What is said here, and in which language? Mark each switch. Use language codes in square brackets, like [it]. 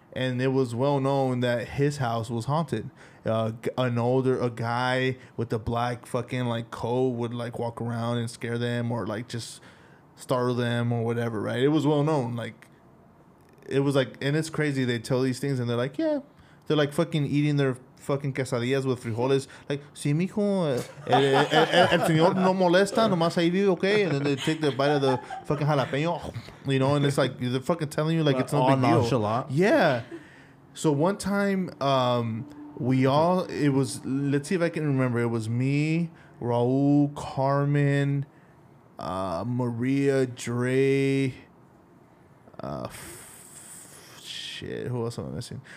[en] And it was well known that his house was haunted. A guy with a black fucking like coat would like walk around and scare them or like just startle them or whatever, right? It was well known. Like, it was like, and it's crazy. They tell these things and they're like, yeah. They're like fucking eating their fucking quesadillas with frijoles. [es] Like, si, mijo, el señor no molesta, nomás ahí vive, okay? [en] And then they take the bite of the fucking jalapeño, you know? And it's like, they're fucking telling you like it's no big deal. Yeah. So one time, let's see if I can remember. It was me, Raul, Carmen, Maria, Dre, shit, who else am I missing?